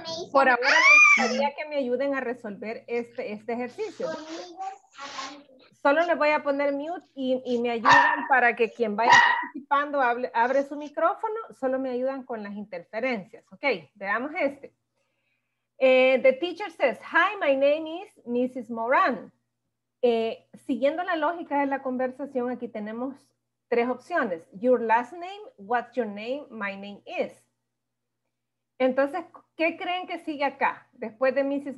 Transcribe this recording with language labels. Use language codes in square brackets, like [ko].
[es] Por ahora, me gustaría que me ayuden a resolver este ejercicio. Solo le voy a poner mute y me ayudan para que quien vaya participando abre su micrófono. Solo me ayudan con las interferencias. Ok, veamos este. [en] The teacher says, hi, my name is Mrs. Moran. [es] Siguiendo la lógica de la conversación, aquí tenemos tres opciones. [en] Your last name, what's your name, my name is. [es] Entonces, ¿qué creen que sigue acá después de Mrs.